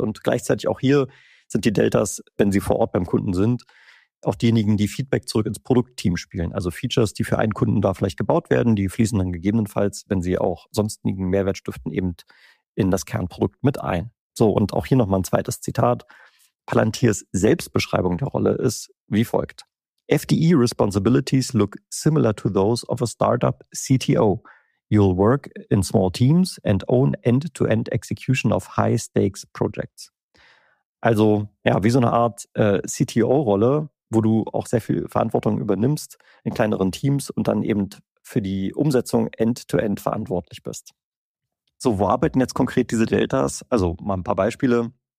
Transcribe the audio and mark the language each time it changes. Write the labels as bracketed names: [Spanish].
[German] Und gleichzeitig auch hier sind die Deltas, wenn sie vor Ort beim Kunden sind, auch diejenigen, die Feedback zurück ins Produktteam spielen. Also Features, die für einen Kunden da vielleicht gebaut werden, die fließen dann gegebenenfalls, wenn sie auch sonstigen Mehrwert stiften, eben in das Kernprodukt mit ein. So, und auch hier nochmal ein zweites Zitat. Palantirs Selbstbeschreibung der Rolle ist wie folgt. [English] FDE responsibilities look similar to those of a startup CTO. You'll work in small teams and own end-to-end execution of high-stakes projects. [German] Also, ja, wie so eine Art CTO-Rolle, wo du auch sehr viel Verantwortung übernimmst in kleineren Teams und dann eben für die Umsetzung end-to-end verantwortlich bist. So, wo arbeiten jetzt konkret diese Deltas? Also mal ein paar Beispiele.